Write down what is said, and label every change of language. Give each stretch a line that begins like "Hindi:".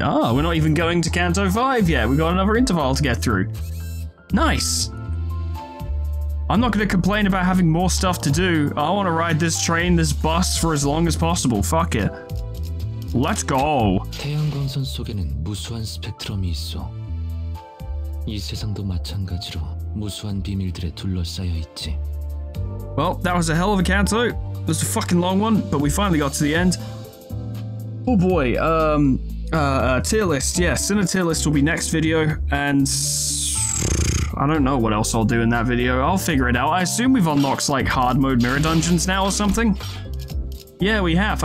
English: Ah, oh, we're not even going to Canto 5 yet. We got another interval to get through. Nice. I'm not going to complain about having more stuff to do. I want to ride this train, this bus, for as long as possible. Fuck it. Let's go.
Korean: 태양광선 속에는 무수한 스펙트럼이 있어. 이 세상도 마찬가지로 무수한 비밀들에 둘러싸여 있지.
English: Well, that was a hell of a Canto. It was a fucking long one, but we finally got to the end. Oh boy, tier list. Yeah, Cine tier list will be next video, and I don't know what else I'll do in that video. I'll figure it out. I assume we've unlocked, like, hard mode mirror dungeons now or something. Yeah, we have.